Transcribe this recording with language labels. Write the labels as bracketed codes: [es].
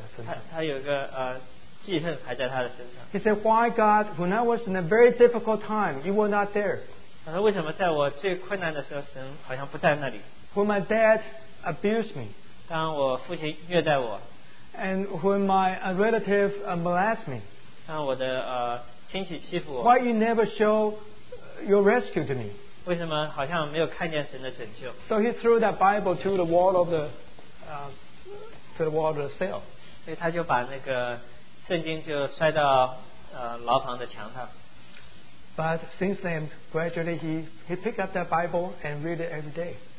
[zh] 但是他有一个记恨还在他的身上。 [en] He said, why God, when I was in a very difficult time, you were not there? [zh] 他说为什么在我最困难的时候神好像不在那里。 [en] When my dad abused me. [zh] 当我父亲虐待我。 [en] And when my relative molested me. [zh] 当我的亲戚欺负我。 [en] Why you never show your rescue to me? [zh] 为什么好像没有看见神的拯救。 [en] So he threw that Bible to the wall of the cell. [zh] 所以他就把那个 圣经就摔到牢房的墙上。 [en] But since then, gradually he picked up that Bible and read it every day.